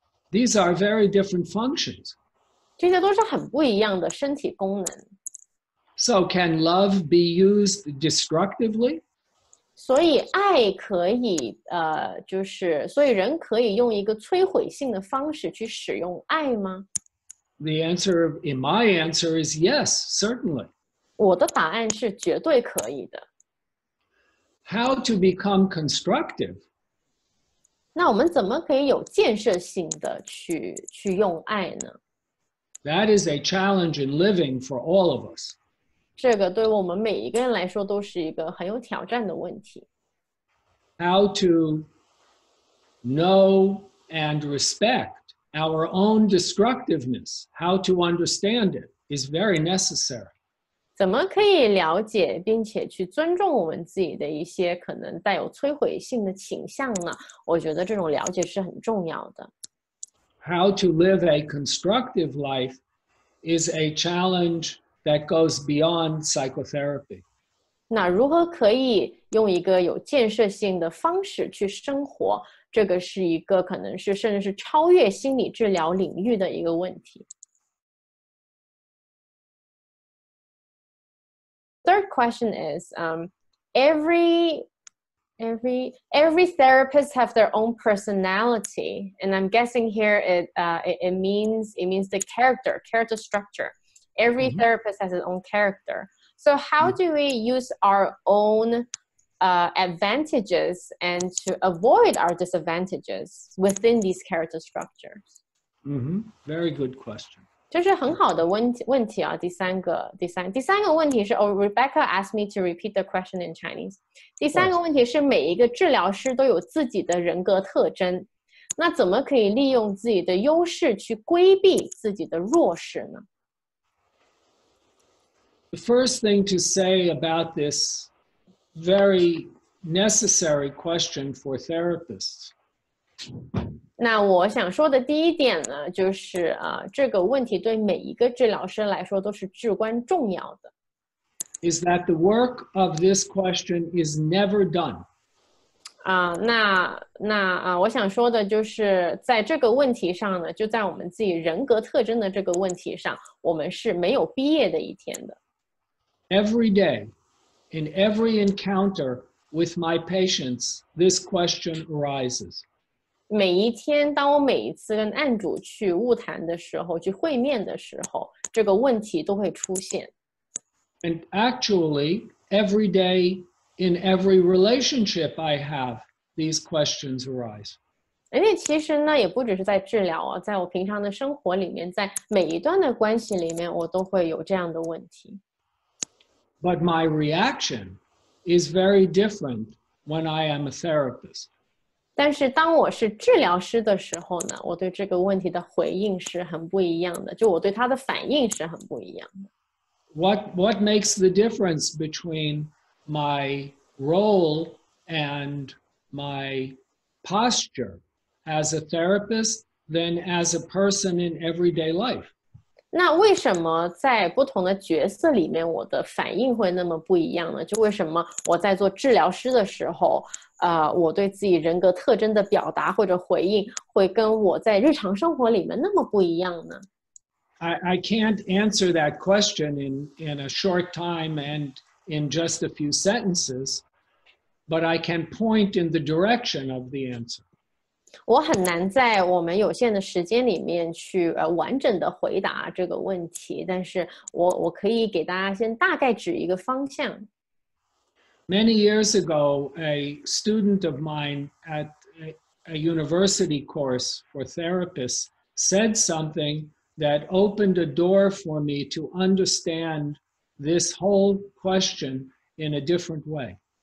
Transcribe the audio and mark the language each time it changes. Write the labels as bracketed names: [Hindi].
[English] These are very different functions. [Chinese] 这些都是很不一样的身体功能。 [English] So can love be used destructively? [Chinese] 所以爱可以就是所以人可以用一个摧毁性的方式去使用爱吗？ [English] The answer, in my answer, is yes, certainly. [Chinese] 我的答案是绝对可以的。 [English] How to become constructive? [Chinese] 那我们怎么可以有建设性的去用爱呢？ [English] That is a challenge in living for all of us. [Chinese] 这个对我们每一个人来说都是一个很有挑战的问题。 [English] How to know and respect? Our own destructiveness, how to understand it. is very necessary. [Chinese] 怎么可以了解并且去尊重我们自己的一些可能带有摧毁性的倾向呢？我觉得这种了解是很重要的。 [English] How to live a constructive life is a challenge that goes beyond psychotherapy. [Chinese] 那如何可以用一个有建设性的方式去生活？这个是一个可能是甚至是超越心理治疗领域的一个问题。 [English] Third question is, every therapist have their own personality, and I'm guessing here it means the character structure. Every mm-hmm. therapist has his own character. So how mm-hmm. do we use our own advantages and to avoid our disadvantages within these character structures? Mm-hmm. Very good question. [Chinese] 这是很好的问题啊，第三个问题是，哦， [English] Rebecca asked me to repeat the question in Chinese. [Chinese] 第三个问题是，每一个治疗师都有自己的人格特征，那怎么可以利用自己的优势去规避自己的弱势呢？ [English] The first thing to say about this very necessary question for therapists. [Chinese] 那我想说的第一点呢，就是啊，这个问题对每一个治疗师来说都是至关重要的。 [English] Is that the work of this question is never done？ [Chinese] 啊，那我想说的就是，在这个问题上呢，就在我们自己人格特征的这个问题上，我们是没有毕业的一天的。 [English] Every day, in every encounter with my patients, this question arises. [Chinese] 每一天当我每一次跟案主去晤谈的时候去会面的时候这个问题都会出现。 [English] And actually, every day in every relationship I have, these questions arise. [Chinese] 因为其实呢也不只是在治疗啊在我平常的生活里面在每一段的关系里面我都会有这样的问题。 [English] But my reaction is very different when I am a therapist. [Chinese] 但是当我是治疗师的时候呢，我对这个问题的回应是很不一样的，就我对他的反应是很不一样的。 [English] What makes the difference between my role and my posture as a therapist than as a person in everyday life? [Chinese] 那为什么在不同的角色里面，我的反应会那么不一样呢？就为什么我在做治疗师的时候？我对自己人格特征的表达或者回应会跟我在日常生活里面那么不一样呢？ [English] I can't answer that question in a short time and in just a few sentences, but I can point in the direction of the answer. [Chinese] 我很难在我们有限的时间里面去完整的回答这个问题，但是我可以给大家先大概指一个方向。 [English] Many years ago, a student of mine at a university course for therapists said something that opened a door for me to understand this whole question in a different way.